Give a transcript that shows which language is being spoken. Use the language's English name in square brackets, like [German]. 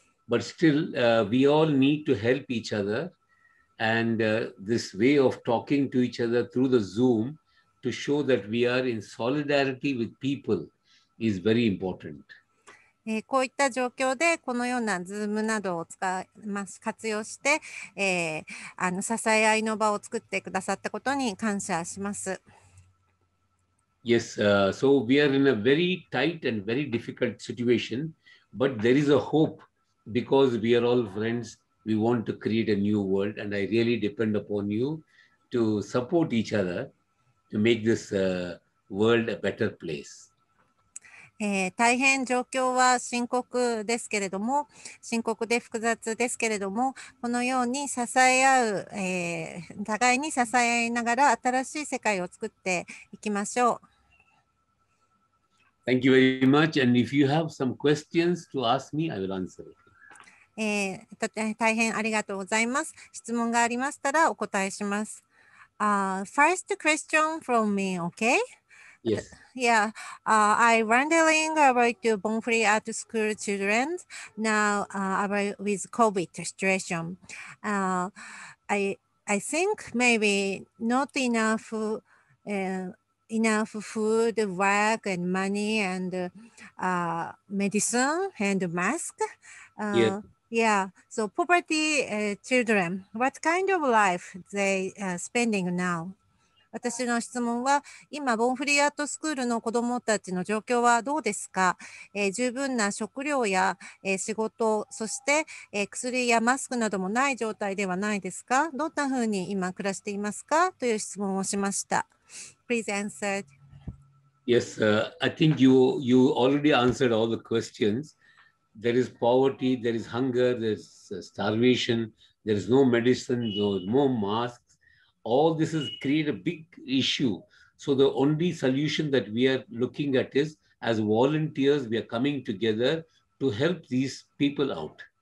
[English] But still, we all need to help each other. And this way of talking to each other through the Zoom to show that we are in solidarity with people is very important. [Japanese] こういった状況でこのような Zoom などを使います活用して、支え合いの場を作ってくださったことに感謝します。 [English] Yes, so we are in a very tight and very difficult situation, but there is a hope because we are all friends. We want to create a new world, and I really depend upon you to support each other to make this world a better place. [Japanese] 大変状況は深刻ですけれども、深刻で複雑ですけれども、このように支え合う、互いに支え合いながら新しい世界を作っていきましょう。 [English] Thank you very much. And if you have some questions to ask me, I will answer it. [Japanese] 大変ありがとうございます。質問がありましたらお答えします。 [English] First question from me, okay? Yes. Yeah. I wondering about the Bonfire Art School children now about with COVID situation. I think maybe not enough food, work, and money, and medicine and mask. Yeah. So poverty children, what kind of life they spending now? [Japanese] 私の質問は、今ボンフリーアートスクールの子どもたちの状況はどうですか、十分な食料や、仕事、そして、薬やマスクなどもない状態ではないですか、どんなふうに今暮らしていますかという質問をしました。 [English] Please answer. Yes, I think you already answered all the questions. There is poverty, there is hunger, there is starvation, there is no medicine, no more masks. All this has created a big issue. So the only solution that we are looking at is as volunteers, we are coming together to help these people out.